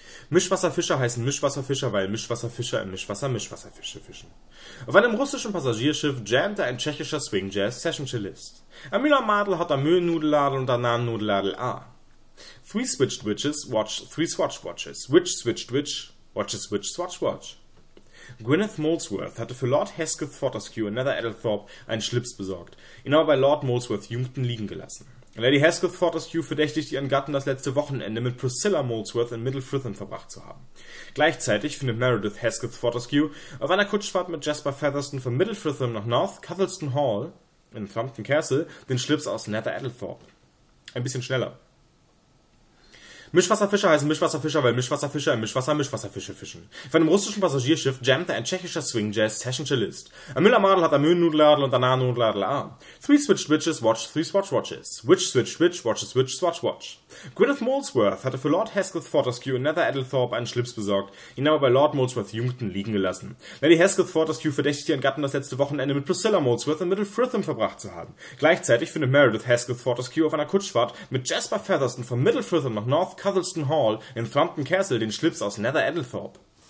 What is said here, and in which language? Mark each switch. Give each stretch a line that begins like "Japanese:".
German: Mischwasserfischer heißen Mischwasserfischer, weil Mischwasserfischer im Mischwasser Mischwasserfische fischen. Auf einem russischen Passagierschiff jammte ein tschechischer Swing-Jazz-Session-Cellist. Ein Müller-Madel hat ein Müll-Nudel-Ladel und ein Nahen-Nudel-Ladel A.
English: Three switched witches watch three swatch watches. Which switched witch watches which swatch watch?
German: Gwyneth Molesworth hatte für Lord Hesketh Fortescue in Nether Edelthorpe einen Schlips besorgt, ihn aber bei Lord Molesworth Jungton liegen gelassen. Lady Hesketh Fortescue verdächtigt ihren Gatten, das letzte Wochenende mit Priscilla Molesworth in Middle Frithen verbracht zu haben. Gleichzeitig findet Meredith Hesketh Fortescue auf einer Kutschfahrt mit Jasper Featherston von Middle Frithen nach North Cuthelston Hall in Thrumpton Castle den Schlips aus Nether Edelthorpe. Ein bisschen schneller. Mischwasserfischer heißen Mischwasserfischer, weil Mischwasserfischer im Mischwasser Mischwasserfische fischen. Von einem russischen Passagierschiff jammte ein tschechischer Swing-Jazz-Session-Cellist. Ein Müller-Madel hat ein Müll-Nudel-Ladel und ein Nahen-Nudel-Ladel A.
English: Three switched witches watch three swatch watches. Which switched witch watches which swatch watch?
German: Gwyneth Molesworth hatte für Lord Hesketh Fortescue in Nether Edelthorpe einen Schlips besorgt, ihn aber bei Lord Molesworth Jungton liegen gelassen. Lady Hesketh Fortescue verdächtigt ihren Gatten, das letzte Wochenende mit Priscilla Molesworth in Middle Frithen verbracht zu haben. Gleichzeitig findet Meredith Hesketh Fortescue auf einer Kutschfahrt mit Jasper Featherston von Middle Frithen nach North Cuthelston Hall in Thrumpton Castle den Schlips aus Nether Edelthorpe.